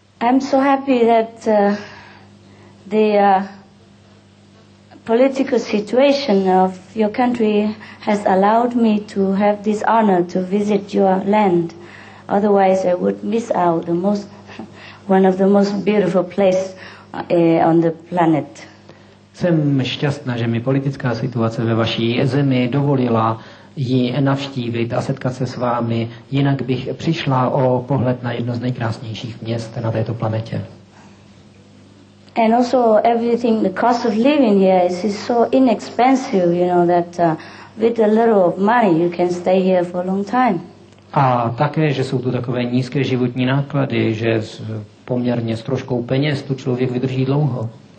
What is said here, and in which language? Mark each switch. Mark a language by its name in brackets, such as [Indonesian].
[English] I'm so happy that political situation of your country has allowed me to have this honor to visit your land. Otherwise, I would miss out the most, one of the most beautiful places on the planet. [Czech] Jsem šťastná, že mi politická situace ve vaší zemi dovolila ji navštívit a setkat se s vámi. Jinak bych přišla o pohled na jedno z nejkrásnějších měst na této planetě. [English] And also everything, the cost of living here is so inexpensive, you know, that with a little of money you can stay here for a long time. [Czech] A také, že jsou tu takové nízké životní náklady, že s poměrně s troškou peněz tu člověk vydrží dlouho.